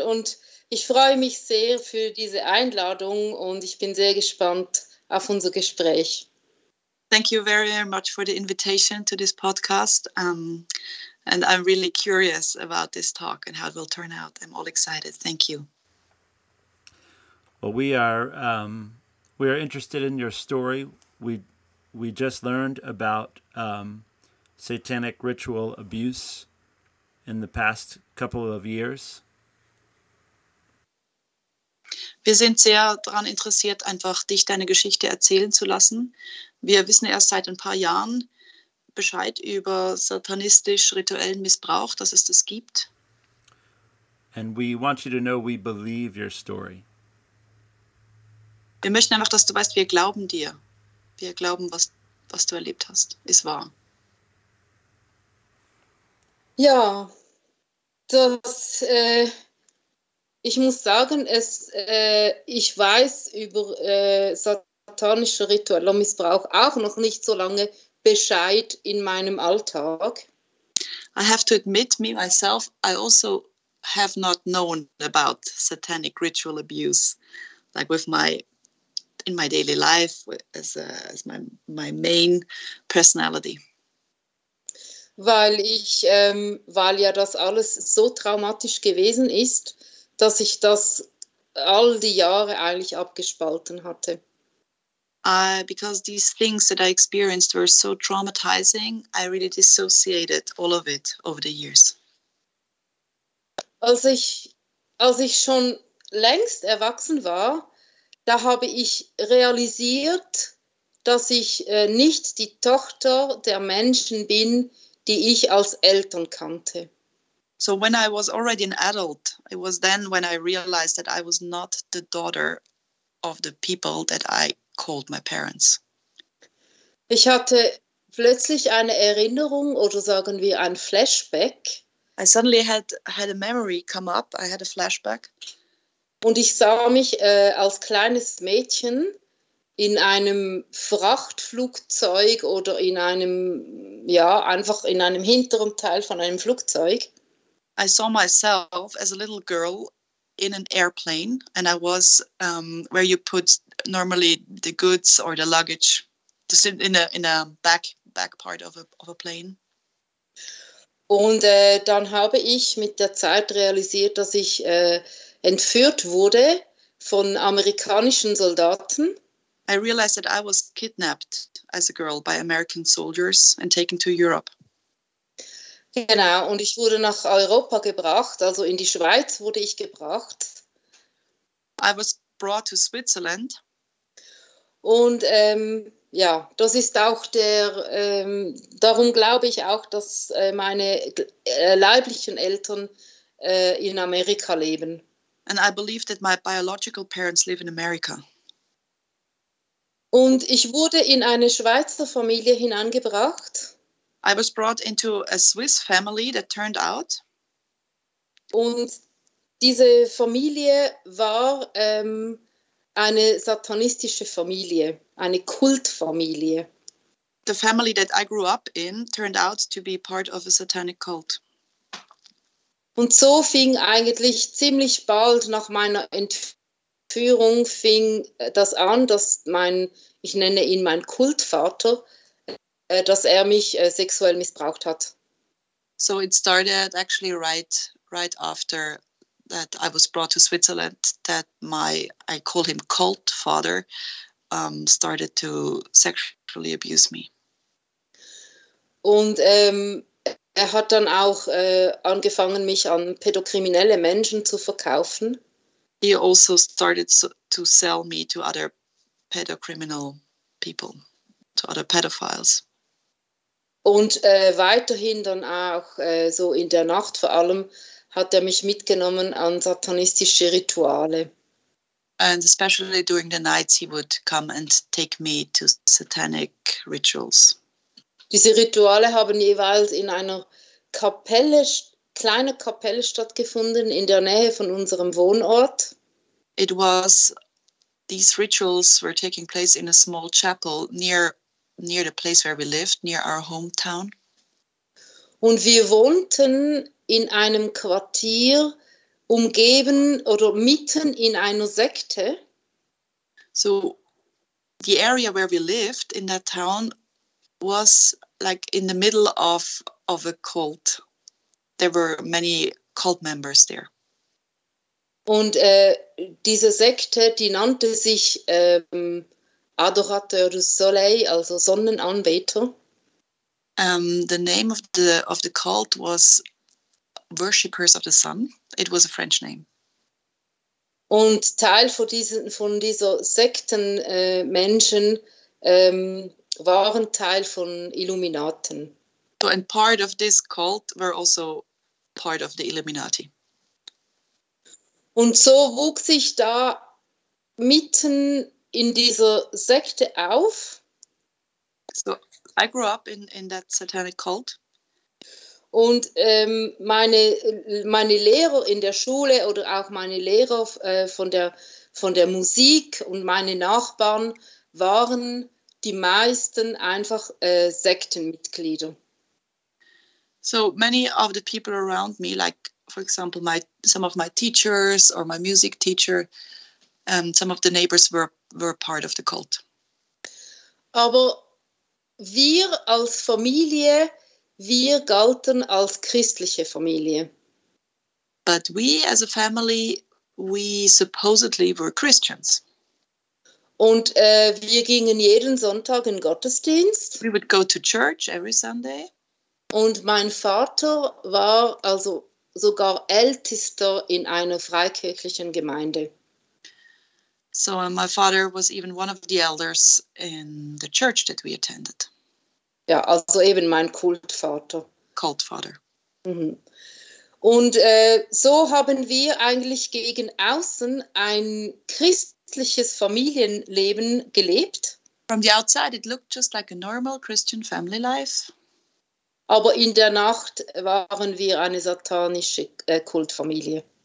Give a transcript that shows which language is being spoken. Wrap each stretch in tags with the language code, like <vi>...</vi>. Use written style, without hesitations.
<de>Und ich freue mich sehr für diese Einladung. Und ich bin sehr gespannt auf unser Gespräch.</de> <en>Thank you very, very much for the invitation to this podcast. And I'm really curious about this talk and how it will turn out. I'm all excited. Thank you. Well, we are interested in your story. We just learned about satanic ritual abuse in the past couple of years.</en> <de>Wir sind sehr daran interessiert, einfach dich deine Geschichte erzählen zu lassen. Wir wissen erst seit ein paar Jahren Bescheid über satanistisch-rituellen Missbrauch, dass es das gibt.</de> <en>And we want you to know we believe your story.</en> <de>Wir möchten einfach, dass du weißt, wir glauben dir. Wir glauben, was du erlebt hast, ist wahr. Ja, das, ich muss sagen, es, ich weiß über satanischen ritueller Missbrauch auch noch nicht so lange Bescheid in meinem Alltag.</de> <en>I have to admit, me myself, I also have not known about satanic ritual abuse, like with my in my daily life as my main personality.</en> <de>Weil ich, weil ja das alles so traumatisch gewesen ist, dass ich das all die Jahre eigentlich abgespalten hatte.</de> <en>Because these things that I experienced were so traumatizing, I really dissociated all of it over the years.</en> <de>Als ich schon längst erwachsen war, da habe ich realisiert, dass ich nicht die Tochter der Menschen bin, die ich als Eltern kannte.</de> <en>So when I was already an adult, it was then when I realized that I was not the daughter of the people that I called my parents.</en> <de>Ich hatte plötzlich eine Erinnerung oder sagen wir ein Flashback.</de> <en>I suddenly had a memory come up. I had a flashback.</en> <de>Und ich sah mich als kleines Mädchen in einem Frachtflugzeug oder in einem, ja, einfach in einem hinteren Teil von einem Flugzeug.</de> <en>I saw myself as a little girl in an airplane, and I was where you put normally the goods or the luggage, just in a back part of a plane.</en> <de>Und dann habe ich mit der Zeit realisiert, dass ich entführt wurde von amerikanischen Soldaten.</de> <en>I realized that I was kidnapped as a girl by American soldiers and taken to Europe.</en> <de>Genau, und ich wurde nach Europa gebracht, also in die Schweiz wurde ich gebracht.</de> <en>I was brought to Switzerland.</en> <de>Und ja, das ist auch der, darum glaube ich auch, dass meine leiblichen Eltern in Amerika leben.</de> <en>And I believe that my biological parents live in America.</en> <de>Und ich wurde in eine Schweizer Familie hineingebracht.</de> <en>I was brought into a Swiss family that turned out.</en> <de>Und diese Familie war eine satanistische Familie, eine Kultfamilie.</de> <en>the family that I grew up in turned out to be part of a satanic cult.</en> <de>Und so fing eigentlich ziemlich bald nach meiner Entführung fing das an, dass mein, ich nenne ihn mein Kultvater, dass er mich sexuell missbraucht hat.</de> <en>So it started actually right after that I was brought to Switzerland, that my, I call him cult father, started to sexually abuse me.</en> <de>Und er hat dann auch angefangen, mich an pädokriminelle Menschen zu verkaufen.</de> <en>He also started to sell me to other pedocriminal people, to other pedophiles.</en> <de>Und weiterhin dann auch so in der Nacht vor allem hat er mich mitgenommen an satanistische Rituale.</de> <en>And especially during the nights he would come and take me to satanic rituals.</en> <de>Diese Rituale haben jeweils in einer Kapelle, kleiner Kapelle stattgefunden in der Nähe von unserem Wohnort.</de> <en>It was, these rituals were taking place in a small chapel near the place where we lived, near our hometown.</en> <de>Und wir wohnten in einem Quartier, umgeben oder mitten in einer Sekte.</de> <en>So, the area where we lived in that town was like in the middle of a cult. There were many cult members there.</en> <de>Und diese Sekte, die nannte sich Adorateur du Soleil, also Sonnenanbeter.</de> <en>The name of the cult was Worshippers of the Sun. It was a French name.</en> <de>Und Teil von dieser Sekten Menschen waren Teil von Illuminaten.</de> <en>So and part of this cult were also part of the Illuminati.</en> <de>Und so wuchs ich da mitten in dieser Sekte auf.</de> <en>So I grew up in that satanic cult.</en> <de>Und meine Lehrer in der Schule oder auch meine Lehrer von der Musik und meine Nachbarn waren die meisten einfach Sektenmitglieder.</de> <en>So many of the people around me, like for example some of my teachers or my music teacher, some of the neighbors were part of the cult.</en> <de>Aber wir als Familie, wir galten als christliche Familie.</de> <en>But we as a family, we supposedly were Christians.</en> <de>Und wir gingen jeden Sonntag in Gottesdienst.</de> <en>We would go to church every Sunday.</en> <de>Und mein Vater war also sogar Ältester in einer freikirchlichen Gemeinde.</de> <en>So my father was even one of the elders in the church that we attended.</en> <de>Ja, also eben mein Kultvater. Kultvater. Mhm. Und so haben wir eigentlich gegen außen ein christliches Familienleben gelebt.</de> <en>From the outside it looked just like a normal Christian family life.</en> <de>Aber in der Nacht waren wir eine satanische Kultfamilie.</de>